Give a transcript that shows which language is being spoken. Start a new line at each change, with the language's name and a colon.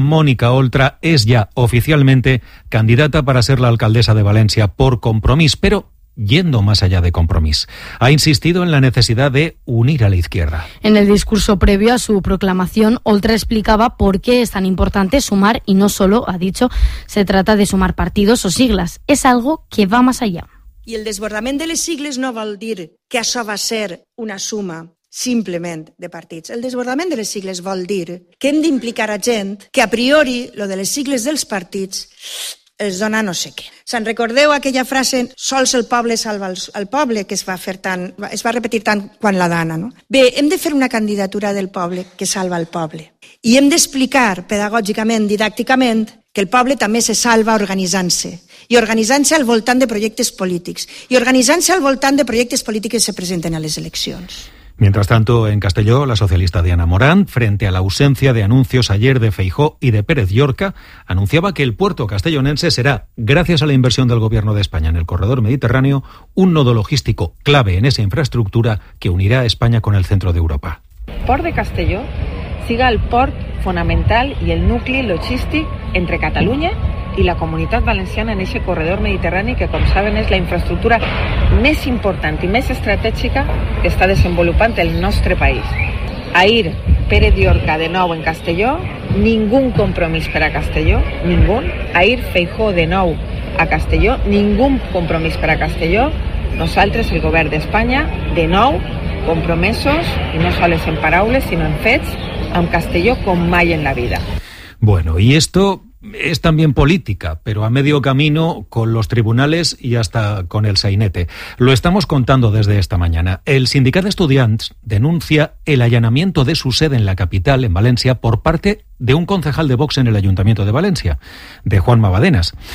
Spanish: Mónica Oltra es ya oficialmente candidata para ser la alcaldesa de Valencia por Compromís, pero yendo más allá de Compromís. Ha insistido en la necesidad de unir a la izquierda. En el discurso previo a su proclamación, Oltra explicaba por qué es tan importante sumar, y no solo, ha dicho, se trata de sumar partidos o siglas. Es algo que va más allá.
Catalan: I el desbordament de les sigles no vol dir que això va ser una suma simplement de partits. El desbordament de les sigles vol dir que hem d'implicar a gent que a priori lo de les sigles dels partits els dona no sé què. Se'n recordeu aquella frase, sols el poble salva el poble, que es va repetir tant quan la dana, no? Bé, hem de fer una candidatura del poble que salva el poble. I hem d'explicar pedagògicament, didàcticament, que el poble també se salva organitzant-se. I organitzant-se al voltant de projectes polítics. I organitzant-se al voltant de projectes polítics que se presenten a les eleccions.
Spanish: Mientras tanto, en Castelló, la socialista Diana Morán, frente a la ausencia de anuncios ayer de Feijóo y de Pérez Yorca, anunciaba que el puerto castellonense será, gracias a la inversión del Gobierno de España en el corredor mediterráneo, un nodo logístico clave en esa infraestructura que unirá a España con el centro de Europa.
Catalan: Port de Castelló siga el port fundamental
Spanish: y el núcleo logístico entre Cataluña y la Comunitat Valenciana en ese
Catalan: corredor mediterrani que, com saben, és la infraestructura més important i més estratègica que està desenvolupant el nostre país. Ahir, Pérez Yorca de nou en Castelló, ningun compromís per a Castelló, ningun. Ahir, Feijóo de nou a Castelló, ningun compromís per a Castelló. Nosaltres, el govern d'Espanya, de nou, compromesos, i no sols en paraules, sinó en fets, amb Castelló com mai en la vida.
Spanish: Bueno, i esto es también política, pero a medio camino con los tribunales y hasta con el sainete. Lo estamos contando desde esta mañana. El Sindicat de Estudiants denuncia el allanamiento de su sede en la capital, en Valencia, por parte de un concejal de Vox en el Ayuntamiento de Valencia, de Juanma Badenas.